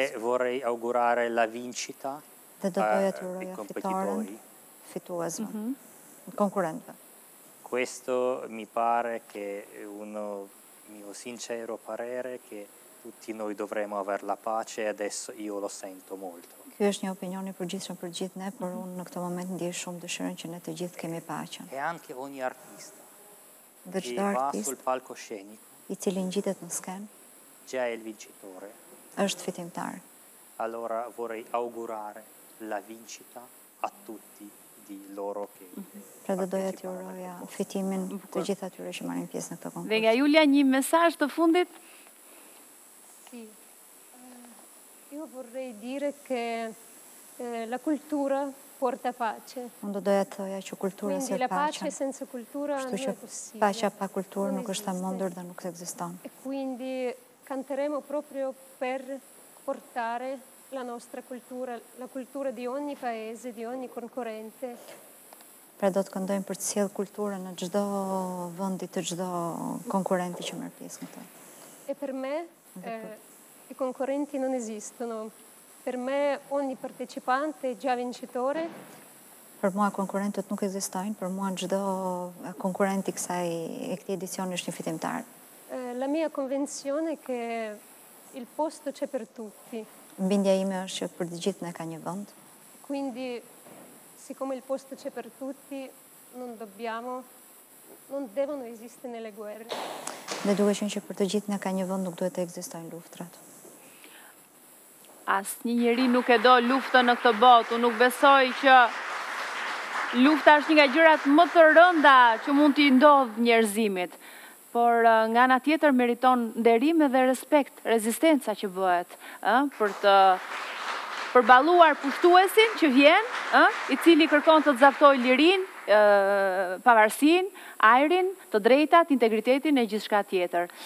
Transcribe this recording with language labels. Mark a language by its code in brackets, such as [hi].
[it] E vorrei augurare la vincita. [sq] Dhe do doja t'ju uroja fitoren, fituesme, konkurentve. [it] Questo mi pare che uno mio sincero parere che tutti noi dovremmo avere la pace e adesso io lo sento molto. [sq] Ky është një opinion i përgjithshëm për gjithë ne, por unë në këtë moment ndjej shumë dëshirën që ne të gjithë kemi paqen. [it] E anche ogni artista. [sq] Dhe çdo artist [it] sul palcoscenico, [sq] i cili ngjitet në skenë, [it] già è il vincitore. [sq] Është fitimtar. [it] Allora vorrei augurare la vincita a tutti. Loro [sq] që pra do doja t'ju uroja fitimin të gjithë atyre që marrin pjesë në këtë konkurs. Dhe nga Julia një mesazh të fundit. [it] Si. Io vorrei dire che la cultura porta pace. [sq] Unë do doja të thoja që kultura sjell paqe. [it] Quindi la pace senza cultura non è possibile. [sq] Paqja pa kulturë nuk është e mundur dhe nuk ekziston. [it] E quindi canteremo proprio per portare la nostra cultura, la cultura di ogni paese, di ogni concorrente. [sq] Pra do të këndojmë për të sjellë kulturën në çdo vend të çdo konkurrenti që merr pjesë këtu. [it] E per me i concorrenti non esistono. Per me ogni partecipante è già vincitore. [sq] Për mua konkurrentët nuk ekzistojnë, për mua çdo konkurrent i kësaj e këtij edicioni është një fitimtar. [it] La mia convinzione è che il posto c'è per tutti. [sq] Mbindja ime është që për të gjithë ne ka një vend. [it] Quindi siccome il posto c'è per tutti, non devono esistere le guerre. [sq] Ne duhet që për të gjithë ne ka një vend, nuk duhet të ekzistojnë luftrat. Asnjë njeri nuk e do luftën në këtë botë. Unë nuk besoj që lufta është një nga gjërat më të rënda që mund t'i ndodhë njerëzimit. Por nga ana tjetër meriton nderim dhe respekt, rezistenca që bëhet, për të përballuar pushtuesin që vjen, i cili kërkon të zaftoj lirinë, pavarësinë, ajrin, të drejtat, integritetin e gjithçka tjetër.